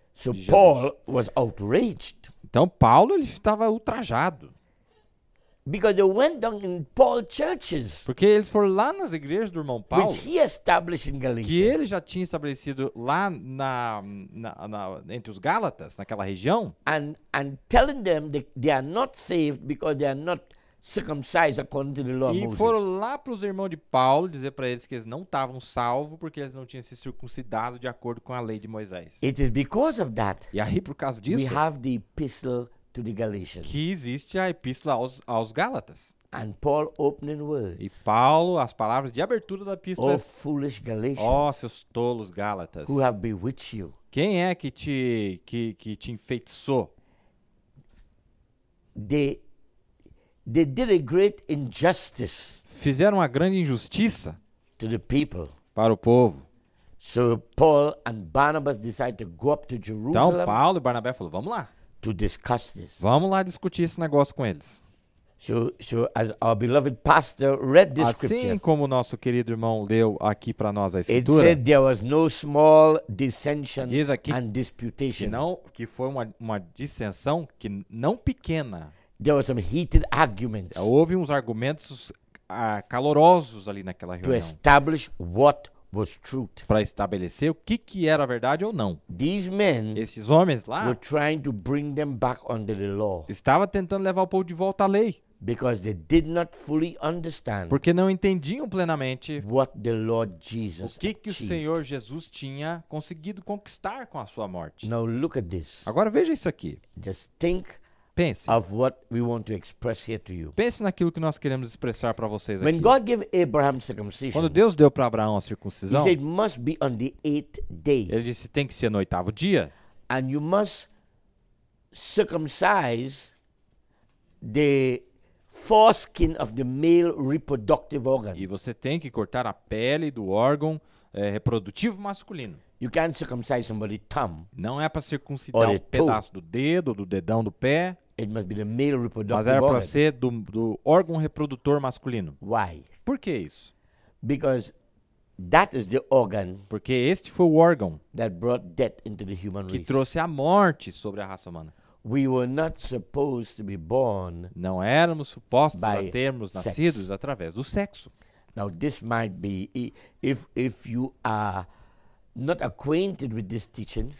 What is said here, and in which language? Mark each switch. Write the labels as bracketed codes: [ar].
[en] So Paul was outraged. [pt] Então Paulo ele estava ultrajado. [en] Because they went down in Paul churches. [pt] Porque eles foram lá nas igrejas do irmão Paulo. [en] Which he established in Galatia. [pt] Que ele já tinha estabelecido lá na entre os Gálatas, naquela região. [en] And telling them they are not saved because they are not circumcised according to the law of Moses. [pt] E foram lá para os irmãos de Paulo dizer para eles que eles não estavam salvos porque eles não tinham se circuncidado de acordo com a lei de Moisés. [en] It is because of that. [pt] E aí por causa disso, [en] we have the epistle to the Galatians. [pt] Que existe a epístola aos Gálatas. [en] And Paul opening words. [pt] E Paulo as palavras de abertura da epístola. [en] Oh foolish Galatians. [pt] Oh seus tolos Gálatas. [en] Who have bewitched you? [pt] Quem é que te enfeitiçou? [en] They did a great injustice. [pt] Fizeram uma grande injustiça [en] to the people. [pt] Para o povo. [en] So Paul and Barnabas decided to go up to Jerusalem. [pt] Então Paulo e Barnabé falaram, vamos lá. [en] To discuss this. [pt] Vamos lá discutir esse negócio com eles. [en] So as our beloved pastor read this [pt] assim [en] scripture. [pt] Assim como nosso querido irmão leu aqui para nós a escritura. [en] It said there was no small dissension and disputation. [pt] Diz aqui que foi uma dissensão que não pequena. [en] There were some heated arguments. [pt] Houve uns argumentos calorosos ali naquela reunião. [en] To establish what was truth. [pt] Para estabelecer o que era verdade ou não. [en] These men, [pt] esses homens lá, [en] were trying to bring them back under the law. [pt] Estava tentando levar o povo de volta à lei. [en] Because they did not fully understand. [pt] Porque não entendiam plenamente [en] what the Lord Jesus [pt] o que [en] achieved. [pt] O Senhor Jesus tinha conseguido conquistar com a sua morte. [en] Now look at this. [pt] Agora veja isso aqui. [en] Just think. [pt] Pense. [en] Of what we want to express here to you. [pt] Pense naquilo que nós queremos expressar para vocês aqui. [en] When God gave Abraham circumcision, [pt] quando Deus deu para Abraão a circuncisão, [en] he said, must be on the eighth day. [pt] Ele disse, tem que ser no oitavo dia. [en] And you must circumcise the foreskin of the male reproductive organ. [pt] E você tem que cortar a pele do órgão reprodutivo masculino. [en] You can't circumcise somebody's thumb. [pt] Não é para circuncidar um pedaço do dedo, do dedão do pé. [en] It must be the male reproductive [pt] organ. Mas era para ser do órgão reprodutor masculino. [en] Why? [pt] Por que isso? [en] Because that is the organ. [pt] Porque este foi o órgão [en] that brought death into the human race. [pt] Que trouxe a morte sobre a raça humana. [en] We were not supposed to be born. [pt] Não éramos supostos a termos nascidos através do sexo. [en] Now this might be if you are not acquainted with this teaching.